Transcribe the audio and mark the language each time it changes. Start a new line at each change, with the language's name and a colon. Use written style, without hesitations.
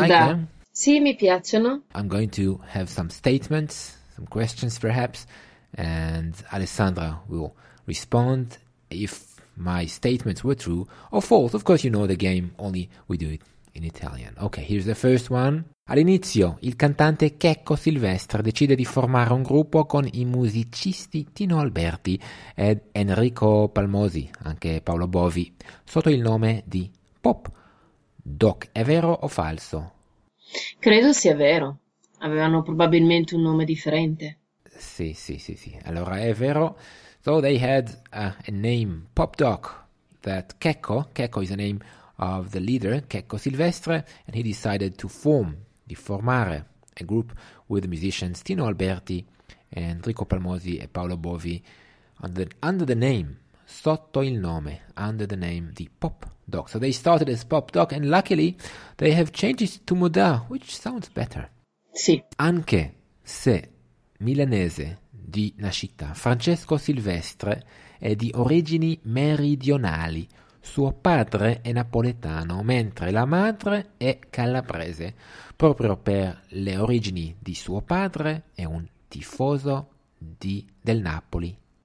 English: Like them?
Italian: Sì, mi piacciono.
English: I'm going to have some statements, some questions perhaps, and Alessandra will respond if my statements were true or false. Of course, you know the game, only we do it in Italian. Okay, here's the first one.
Italian: All'inizio, il cantante Checco Silvestre decide di formare un gruppo con i musicisti Tino Alberti ed Enrico Palmosi, anche Paolo Bovi, sotto il nome di Pop. Doc, è vero o falso? Credo sia vero. Avevano probabilmente un nome differente. Sì, sì, sì, sì. Allora, è vero.
English: So they had a name, Pop Doc, that Checco is the name of the leader, Checco Silvestre, and he decided to formare a group with the musicians Tino Alberti, Enrico Palmosi e Paolo Bovi under the name the Pop Doc. So they started as Pop Doc, and luckily they have changed it to Moda, which sounds better.
Italian: Sì. Anche se milanese di nascita, Francesco Silvestre è di origini meridionali. Suo padre è napoletano, mentre la madre è calabrese. Proprio per le origini di suo padre è un tifoso del Napoli.